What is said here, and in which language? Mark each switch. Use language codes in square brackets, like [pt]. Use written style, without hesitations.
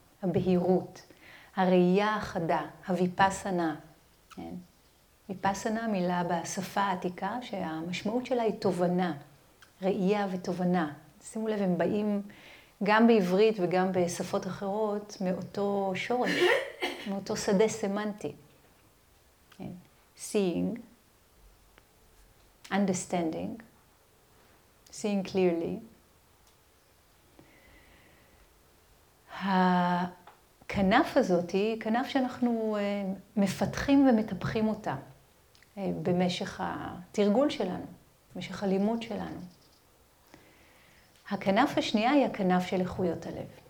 [he] הבהירות, הראייה החדה, הויפסנה. כן? ויפסנה מילה בשפה העתיקה שהמשמעות שלה היא תובנה, ראייה ותובנה. שימו לב, הם באים גם בעברית וגם בשפות אחרות מאותו שורש, מאותו שדה סמנטי. כן? [en] Seeing, understanding, seeing clearly. [he] הכנף הזאת היא כנף שאנחנו מפתחים ומטפחים אותה במשך התרגול שלנו. משך הלימוד שלנו. הכנף השנייה היא הכנף של איכויות הלב.